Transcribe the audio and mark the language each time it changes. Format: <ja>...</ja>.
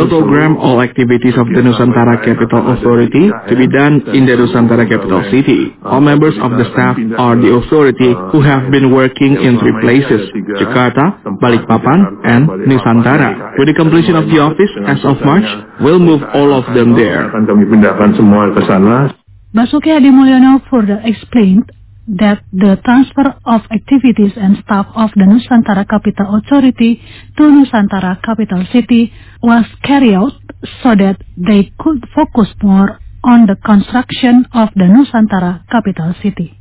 <en>We'll program all activities of the Nusantara Capital Authority to be done in the Nusantara Capital City. All members of the staff are the authority who have been working in three places, Jakarta, Balikpapan, and Nusantara. With the completion of the office as of March, we'll move all of them there.</en> <id>Kami pindahkan semua ke sana.</id> <en>Basuki Hadi Mulyono further explained that the transfer of activities and staff of the Nusantara Capital Authority to Nusantara Capital City was carried out so that they could focus more on the construction of the Nusantara Capital City.</en>